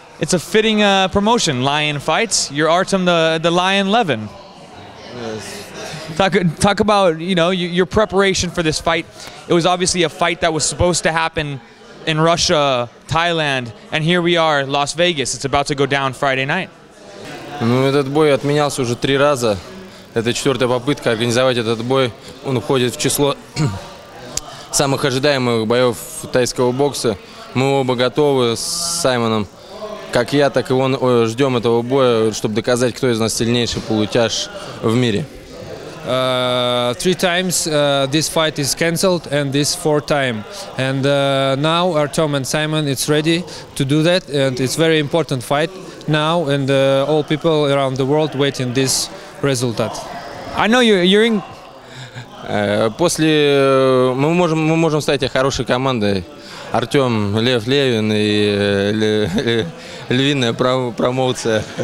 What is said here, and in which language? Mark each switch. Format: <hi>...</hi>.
<en>It's a fitting promotion, Lion Fights. You're Artem the Lion Levin. Yes. Talk about, you know, your preparation for this fight. It was obviously a fight that was supposed to happen in Russia, Thailand, and here we are, Las Vegas. It's about to go down Friday night.</en> <ru>Ну, этот бой отменялся уже три раза. Это четвертая попытка организовать этот бой. Он входит в число самых ожидаемых боев тайского бокса. Мы оба готовы с Саймоном. Как я, так и он ждем этого боя, чтобы доказать, кто из нас сильнейший полутяж в мире.</ru> <en>Three times this fight is cancelled, and this fourth time. And now Artem and Simon is ready to do that, and it's very important fight now, and all people around the world waiting this result. I know you're in.</en> <ru>После мы можем стать хорошей командой. Артем, Лев Левин и львиная промоуция.</ru>